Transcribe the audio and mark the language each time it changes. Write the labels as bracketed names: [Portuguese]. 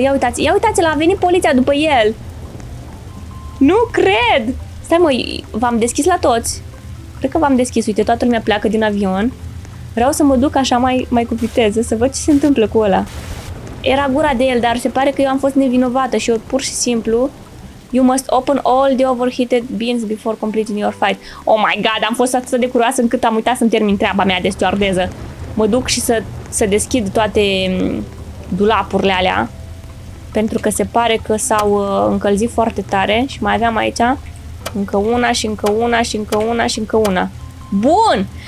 [Romanian] Ia uitați, a venit poliția după el. Nu cred. Stai mă, v-am deschis la toți. Cred că v-am deschis. Uite, toată lumea pleacă din avion. Vreau să mă duc așa mai cu viteză, să văd ce se întâmplă cu ăla. Era gura de el, dar se pare că eu am fost nevinovată și eu pur și simplu... [English] You must open all the overheated bins before completing your flight. Oh my god, [Romanian] am fost atât de curioasă încât am uitat să-mi termin treaba mea de stewardeză. Mă duc și să deschid toate dulapurile alea. Pentru că se pare că s-au încălzit foarte tare și mai aveam aici încă una și încă una și încă una și încă una. Bun!